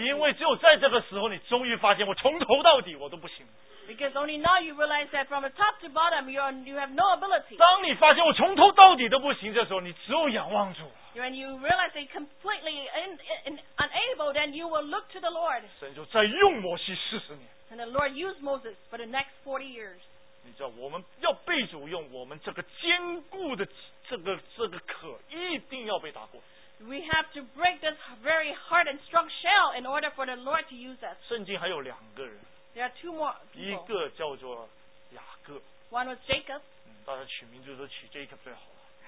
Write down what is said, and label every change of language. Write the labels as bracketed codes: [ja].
[zh] 因为只有在这个时候，你终于发现我从头到底我都不行。 [en] Because only now you realize that from the top to bottom, you have no ability. [zh] 当你发现我从头到底都不行的时候，你只有仰望主。 [en] When you realize that completely unable, then you will look to the Lord. [zh] 神就再用摩西四十年。 [en] And the Lord used Moses for the next 40 years. [zh] 你知道我们要被主用，我们这个坚固的这个壳一定要被打破。 [en] We have to break this very hard and strong shell in order for the Lord to use us. [zh] 圣经还有两个人。 [en] There are two more people. [zh] 一个叫做雅各。 [en] One was Jacob.、 [zh] 嗯、大家取名字都取 Jacob 最好了。